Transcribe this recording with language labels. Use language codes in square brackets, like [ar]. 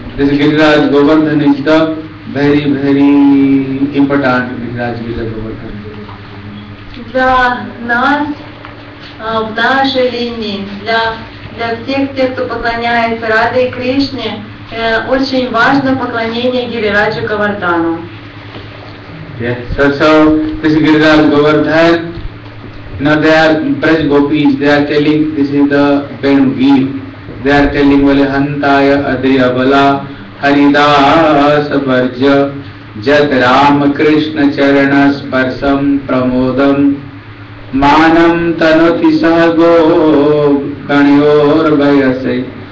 [en] This Giriraj Govardhan is the very, very important Giriraj Govardhan. [ru] Для нас, в нашей линии, для всех тех, кто поклоняется Раде и Кришне, очень важно поклонение Гирираджу Говардхану. [en] Yes. So this Giriraj Govardhan, you know, they are Braj Gopis, they are telling, this is the Venugi, they are telling, [sa] Vale Hantaya Adriyabala Haridas Bharja Jat Ram Krishna Charana Sparsam Pramodam Manam Tanuti Sahago Ganyor Vayasai.